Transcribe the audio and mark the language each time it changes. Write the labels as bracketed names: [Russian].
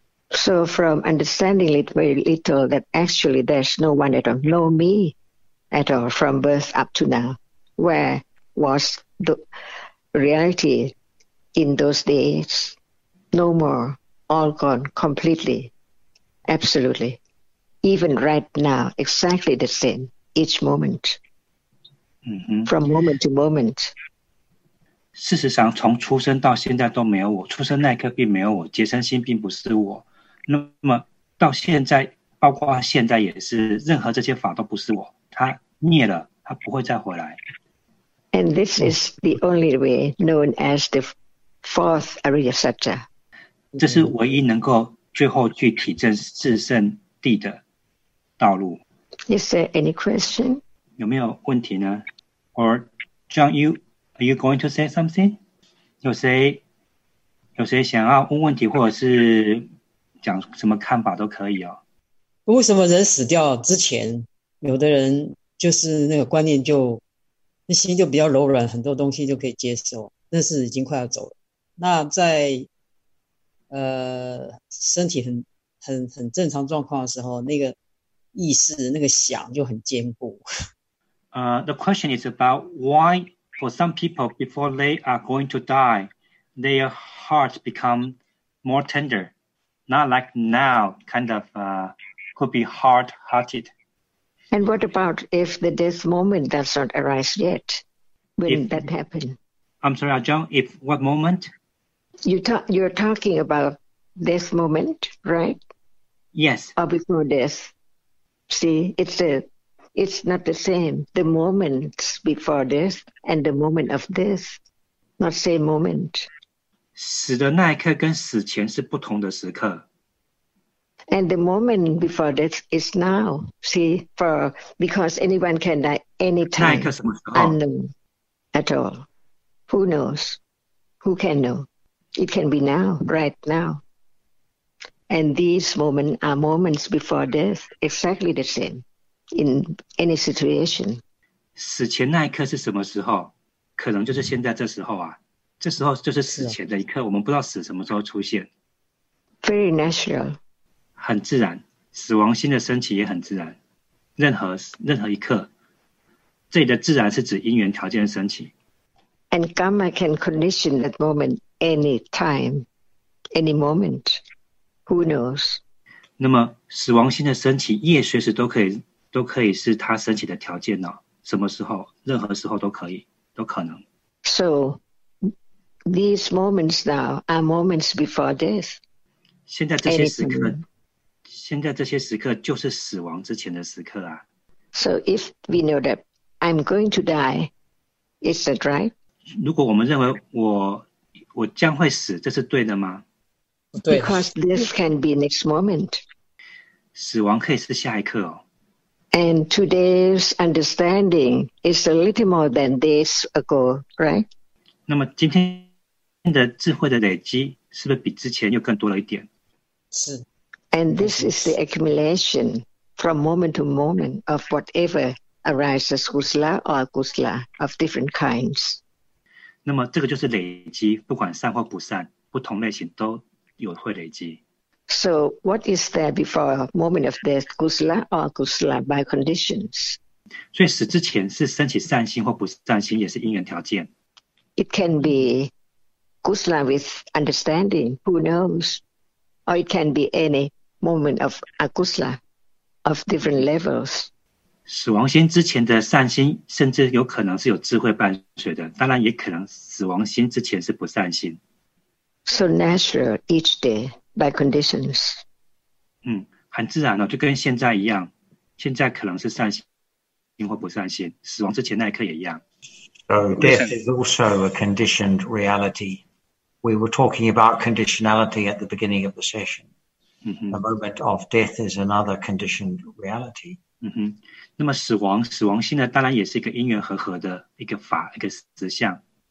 [English] So from understanding it very little that actually there's no one at all, no me at all from birth up to now, where was the reality in those days? No more, all gone, completely, absolutely. Even right now, exactly the same, each moment,、 mm-hmm. from moment to moment. [Chinese] 事实上，从出生到现在都没有我，出生那一刻并没有我，结生心并不是我。那么到现在，包括现在也是，任何这些法都不是我，它灭了，它不会再回来。 [English] And this is the only way known as the fourth Ariyasatta. [Chinese] 这是唯一能够最后去体证自圣谛的道路。 [English] Is there any question? [Chinese] 有没有问题呢？ [English] Or John, are you going to say something? [Chinese] 有谁想要问问题或者是讲什么看法都可以哦。为什么人死掉之前，有的人就是那个观念就心就比较柔软，很多东西就可以接受，但是已经快要走了。那在身体很正常状况的时候，那个意识那个想就很坚固。 [English] The question is about why for some people before they are going to die, their heart become more tender, not like now, kind of could be hard-hearted. And what about if the death moment does not arise yet? When that happen? I'm sorry, John. If what moment? You're talking about this moment, right? Yes. Or before death. See, it's not the same. The moment before death and the moment of death, not same moment. [Chinese] 死的那一刻跟死前是不同的时刻。 [English] And the moment before death is now. See, for because anyone can die anytime, unknown at all. Who knows? Who can know? It can be now, right now. And these moments are moments before death, exactly the same in any situation. [Chinese] 死前那一刻是什么时候？可能就是现在这时候啊。这时候就是死前的一刻，我们不知道死什么时候出现。 [English] Very natural. [Chinese] 很自然，死亡心的升起也很自然。任何一刻，这里的自然是指因缘条件的升起。 [English] And karma can condition that moment any time, any moment. Who knows? [Chinese] 那么死亡心的升起也随时都可以是它升起的条件呢、哦？什么时候，任何时候都可以，都可能。 [English] So. These moments now are moments before death. [Chinese] 现在这些时刻，现在这些时刻就是死亡之前的时刻啊。 [English] So if we know that I'm going to die, is that right? [Chinese] 如果我们认为我将会死，这是对的吗？对。 [English] Because this can be next moment. [Chinese] 死亡可以是下一刻哦。 [English] And today's understanding is a little more than days ago, right? [Chinese] 那么今天的智慧的累积是不是比之前又更多了一点？是。 [English] And this is the accumulation from moment to moment of whatever arises, kusla or kusla of different kinds. [Chinese] 那么这个就是累积，不管善或不善，不同类型都有会累积。 [English] So what is there before moment of death, kusla or kusla by conditions? [Chinese] 所以死之前是升起善心或不善心，也是因缘条件。 [English] It can be kusla with understanding, who knows? Or it can be any moment of akusla of different levels. [Chinese] 死亡心之前的善心甚至有可能是有智慧伴随的，当然也可能死亡心之前是不善心。 [English] So natural each day by conditions. [Chinese] 很自然哦，就跟现在一样，现在可能是善心或不善心，死亡之前那一刻也一样。 [English] So death is also a conditioned reality. We were talking about conditionality at the beginning of the session. The moment of death is another conditioned reality. [Chinese] 那么死亡心呢，当然也是一个因缘和合的一个法，一个实相。